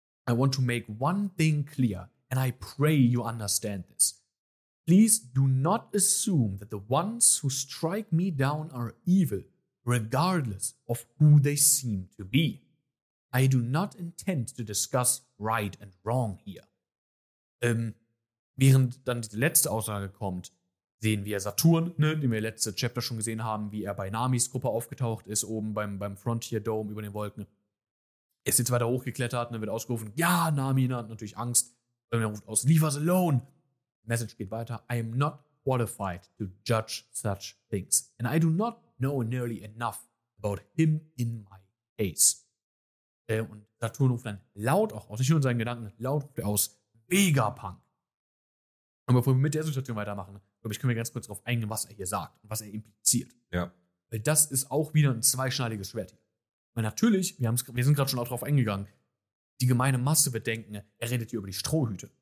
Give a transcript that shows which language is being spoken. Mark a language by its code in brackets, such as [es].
[en] I want to make one thing clear, and I pray you understand this. Please do not assume that the ones who strike me down are evil, regardless of who they seem to be. I do not intend to discuss right and wrong here. [de] Während dann die letzte Aussage kommt, sehen wir Saturn, ne, den wir letzte Chapter schon gesehen haben, wie er bei Namis Gruppe aufgetaucht ist, oben beim Frontier Dome über den Wolken. Er ist jetzt weiter hochgeklettert, ne, wird ausgerufen, ja, Nami, ne, hat natürlich Angst, und er ruft aus, [en] leave us alone. [de] Message geht weiter. [en] I am not qualified to judge such things. And I do not know nearly enough about him in my case. [de] Und Saturn ruft dann laut auch aus, nicht nur in seinen Gedanken, laut ruft er aus, Vegapunk. Und bevor wir mit der Situation weitermachen, glaube ich, können wir ganz kurz darauf eingehen, was er hier sagt und was er impliziert. Ja. Weil das ist auch wieder ein zweischneidiges Schwert. Weil natürlich, wir sind gerade schon auch darauf eingegangen, die gemeine Masse wird denken, er redet hier über die Strohhüte.